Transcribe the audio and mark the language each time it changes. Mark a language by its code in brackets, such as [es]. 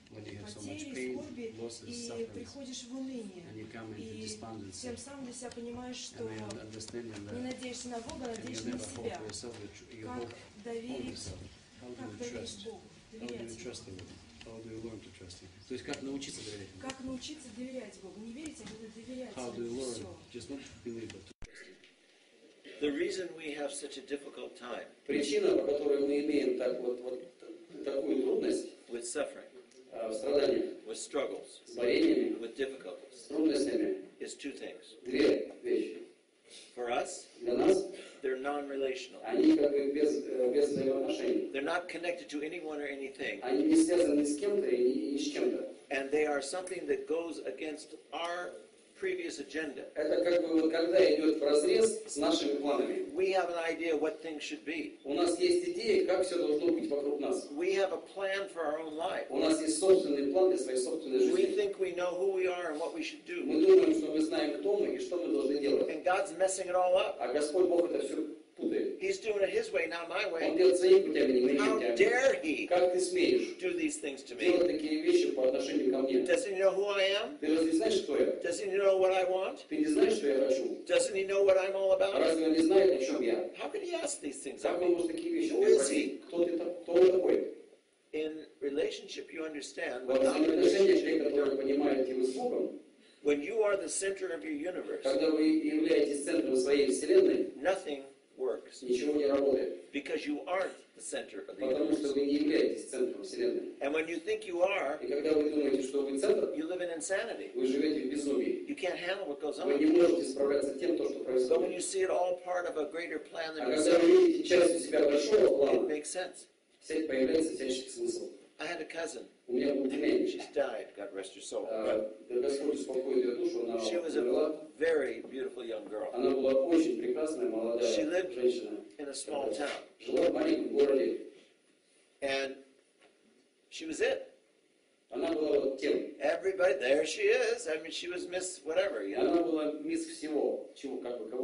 [en] The reason we have such a difficult time. [ru] Причина, по которой мы имеем так вот такую трудность. [en] With suffering. [ru] Страдания, [en] with struggles, [ru] с борениями, [en] with difficulties, [ru] с трудностями, [en] is two things. [ru] Две вещи. [en] For us, [ru] для нас, [en] they're non-relational. [ru] Они как бы без взаимоотношений. [en] They're not connected to anyone or anything. [ru] Они не связаны с кем-то и с чем-то. [en] And they are something that goes against our previous agenda. [ru] Это как бы когда идет вразрез с нашими планами. [en] We have an idea what things should be. [ru] У нас есть идея, как все должно быть вокруг нас. [en] We have a plan for our own life. [ru] У нас есть собственный план для своей собственной жизни. [en] We think we know who we are and what we should do. [ru] Мы думаем, что мы знаем, кто мы и что мы должны делать. [en] And God's messing it all up. [ru] А Господь Бог это все путает. [en] He's doing it His way, not my way. [ru] Он делает своим путем, не моим путем. [en] How dare He? [ru] Как ты смеешь? [en] Do these things to me? [ru] Делать такие вещи по отношению ко мне? [en] Doesn't He know who I am? [ru] Ты разве знаешь, кто я? [en] Doesn't He know what I want? [ru] Ты не знаешь, что я хочу? [en] Doesn't He know what I'm all about? [ru] Разве он не знает, о чем я? [en] How can He ask these things? [ru] Как он может такие вещи спросить? Кто ты там? Кто он такой? [en] In relationship, you understand. [ru] Во взаимоотношениях человек, который понимает его с Богом. [en] When you are the center of your universe. [ru] Когда вы являетесь центром своей вселенной. [en] Nothing. [ru] Ничего не работает. [en] Because you aren't the center of the [ru] Потому что вы не являетесь центром вселенной. [en] And when you think you are, [ru] и когда вы думаете, что вы центр, [en] you live in insanity. [ru] Вы живете в безумии. [en] You can't handle what goes on. [ru] Вы не можете справляться с тем, что происходит. [en] But when you see it all part of a greater plan than yourself, [ru] а когда вы видите часть себя большого плана, [en] it makes sense. [ru] Все появляется всяческий смысл. [en] I had a cousin. [ru] У меня был племянник. [en] She's died. God rest her soul. [ru] Господь успокоит ее душу. Она [en] she was [ru] умерла. [en] A very beautiful young girl. [ru] Она была очень прекрасная молодая [en] she lived [ru] женщина. [en] In a small town. [ru] Жила в маленьком городе. [en] And she was it. [ru] Она была вот тем. [en] Everybody, there she is. I mean, she was Miss whatever. You [ru] она [en] know? [ru] Была мисс всего. Чего, как бы, кого?